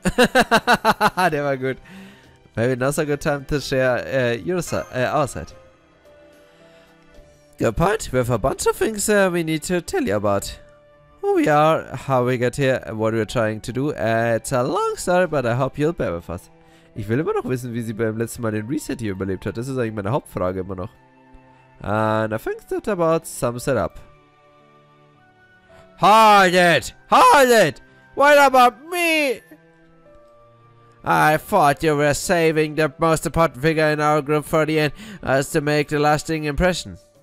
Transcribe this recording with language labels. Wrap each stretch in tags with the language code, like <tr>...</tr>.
<de>Der war gut.</de> <en>Maybe not a good time to share your side. Good point. We have a bunch of things we need to tell you about. Who we are, how we got here, and what we're trying to do. It's a long story, but I hope you'll bear with us.</en> <de>Ich will immer noch wissen, wie sie beim letzten Mal den Reset hier überlebt hat. Das ist eigentlich meine Hauptfrage immer noch.</de> <en>And I think that about sums it up. Hold it! Hold it! What about me? I thought you were saving the most important figure in our group for the end, as to make the lasting impression.</en>